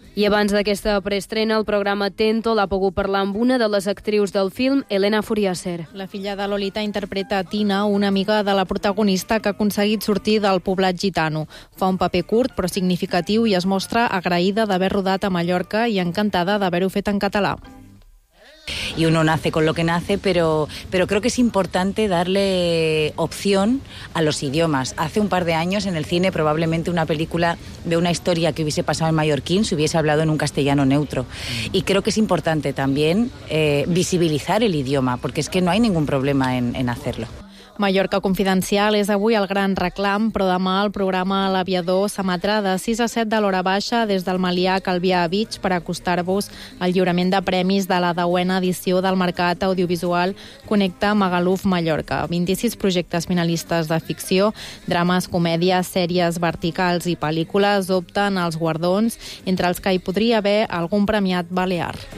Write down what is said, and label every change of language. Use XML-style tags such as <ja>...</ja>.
<ca>I abans d'aquesta preestrena, el programa Tento l'ha pogut parlar amb una de les actrius del film, Elena Furiaser. La filla de Lolita interpreta Tina, una amiga de la protagonista que ha aconseguit sortir del poblat gitano. Fa un paper curt però significatiu i es mostra agraïda d'haver rodat a Mallorca i encantada d'haver-ho fet en català.</ca> <es>Y uno nace con lo que nace, pero creo que es importante darle opción a los idiomas. Hace un par de años en el cine probablemente una película de una historia que hubiese pasado en mallorquín se hubiese hablado en un castellano neutro. Y creo que es importante también visibilizar el idioma, porque es que no hay ningún problema en hacerlo.</es> <ca>Mallorca Confidencial és avui el gran reclam, però demà el programa L'Aviador s'emetrà de 6 a 7 de l'hora baixa des del Malià Calvià a Vich per acostar-vos al lliurament de premis de la 10a edició del mercat audiovisual Connecta Magaluf Mallorca. 26 projectes finalistes de ficció, drames, comèdies, sèries verticals i pel·lícules opten als guardons, entre els que hi podria haver algun premiat balear.</ca>